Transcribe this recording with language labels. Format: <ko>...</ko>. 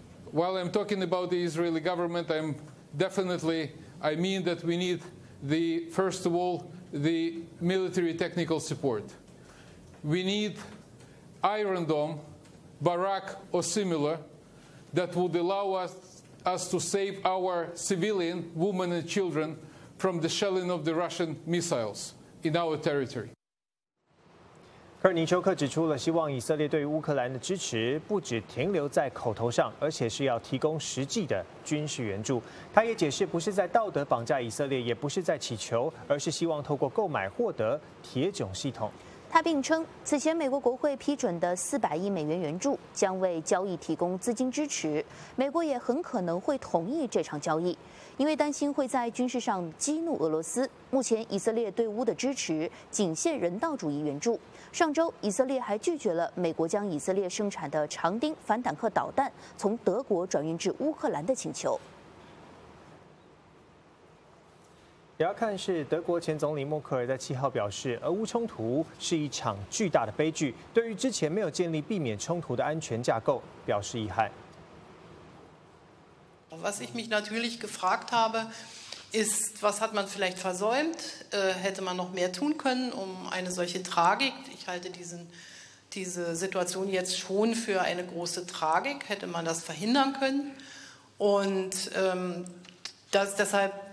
<en>While I'm talking about the Israeli government, I mean that we need the first of all the military technical support. We need. Iron Dome, barrack or similar that would allow us to save our civilian women and children from the shelling of the Russian missiles in our territory.</en> <zh>科尔尼丘克指出了，希望以色列对乌克兰的支持不只停留在口头上，而且是要提供实际的军事援助。他也解释，不是在道德绑架以色列，也不是在乞求，而是希望透过购买获得铁炯系统。他并称，此前美国国会批准的400亿美元援助将为交易提供资金支持，美国也很可能会同意这场交易，因为担心会在军事上激怒俄罗斯。目前以色列对乌的支持仅限人道主义援助，上周以色列还拒绝了美国将以色列生产的长钉反坦克导弹从德国转运至乌克兰的请求。也要看是德国前总理默克尔在7号表示，俄乌冲突是一场巨大的悲剧，对于之前没有建立避免冲突的安全架构表示遗憾。</zh> <de>Was ich mich natürlich gefragt habe, ist, was hat man vielleicht versäumt? Hätte man noch mehr tun können, um eine solche Tragik? Ich halte diese Situation jetzt schon für eine große Tragik. Hätte man das verhindern können? Und das deshalb.</de>